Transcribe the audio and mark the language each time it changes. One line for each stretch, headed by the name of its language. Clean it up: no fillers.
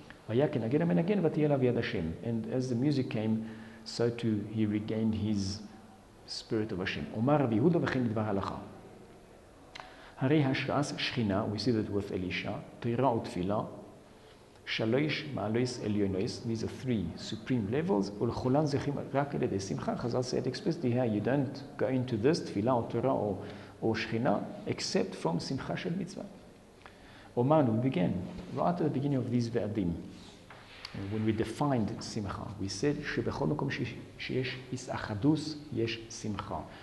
Hebrew: היה כנגן המנגן, ותהיה לו יד השם.
English: And as the music came, so too he regained his spirit of השם.
Hebrew: אומר רבי יהודה וכן לדבר הלכה. הרי השראה שכינה,
English: we see that with
Hebrew: אלישע, תוירה ותפילה, שלוש מעלויס אליונויס,
English: these are three supreme levels,
Hebrew: ולכולן זכים רק על ידי שמחה.
English: חזל said explicitly here, you don't go into this,
Hebrew: תפילה או תורה או שכינה,
English: except from
Hebrew: שמחה של מצווה.
English: אומן, we began, right at the beginning of these ועדים, when we defined שמחה, we said
Hebrew: שבכל מקום שיש הסאחדוס, יש שמחה.